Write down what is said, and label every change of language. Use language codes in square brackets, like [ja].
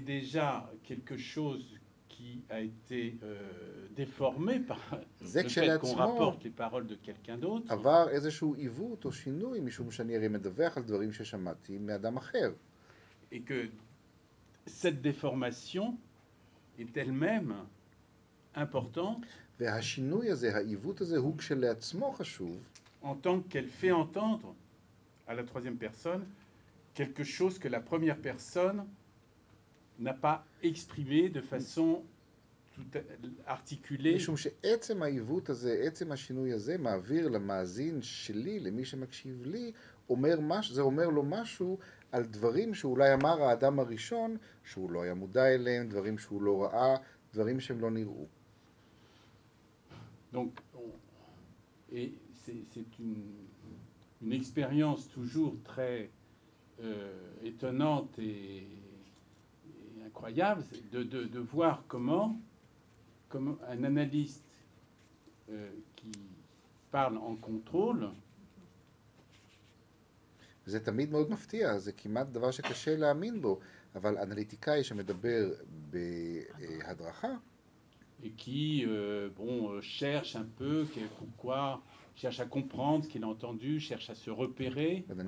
[fr] déjà quelque chose qui a été déformé par le fait qu'on rapporte les paroles de quelqu'un d'autre. Avoir [he] איזשהו עיוות או שינוי משום שאני הרי מדווח על דברים ששמעתי מאדם אחר. [fr] Et que cette déformation est elle-même importante. [he] והשינוי הזה, העיוות הזה, הוא כשלעצמו חשוב. [fr] En tant qu'elle fait entendre à la troisième personne quelque chose que la première personne n'a pas exprimé de façon toute articulée. [he] משום שעצם העיוות הזה, עצם השינוי הזה, מעביר למאזין שלי, למי שמקשיב לי, אומר משהו, זה אומר לו משהו על דברים שאולי אמר האדם הראשון, שהוא לא היה מודע אליהם, דברים שהוא לא ראה, דברים שהם לא נראו. [fr] Donc, et c'est une expérience toujours très étonnante et incroyable de voir comment un analyste qui parle en contrôle. [he] זה תמיד מאוד מפתיע, זה כמעט דבר שקשה להאמין בו, אבל אנליטיקאי שמדבר בהדרכה. [fr] Et qui cherche un peu pourquoi, cherche à comprendre ce qu'il a entendu, cherche à se repérer.